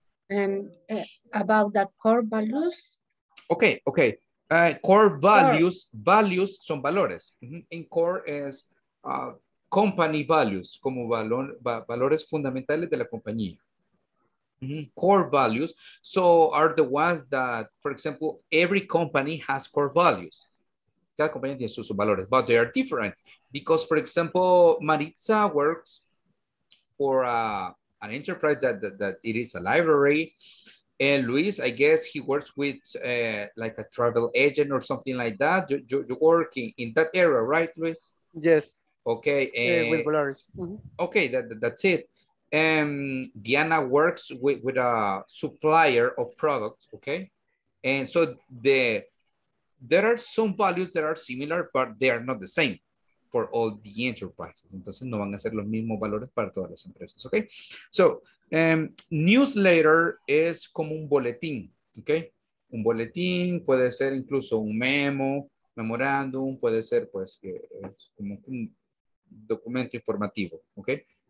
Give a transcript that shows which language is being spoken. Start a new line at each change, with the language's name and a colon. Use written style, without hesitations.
English: About the core values. Okay, okay. Core values, core. Values
Spanish: son valores.
English: In core is...
Spanish: Company values, como valor, valores fundamentales de la compañía. Mm-hmm.
English: Core values, so are the ones that, for example, every company has core values.
Spanish: Cada compañía tiene sus valores,
English: but they are different. Because, for example, Maritza works for an enterprise that it is a library. And Luis, I guess he works with like a travel agent or something like that. You work in that area, right, Luis? Yes. Okay, with Polaris. Mm-hmm. Okay, that's it. Diana works with a supplier of products, okay? And so there are some values that are similar, but they are not the same for all the enterprises.
Spanish: Entonces, no van a ser los mismos valores para todas las empresas, okay? So, newsletter es como un boletín, okay? Un boletín puede ser incluso un memo, memorándum, puede ser pues que es como un documento informativo, okay?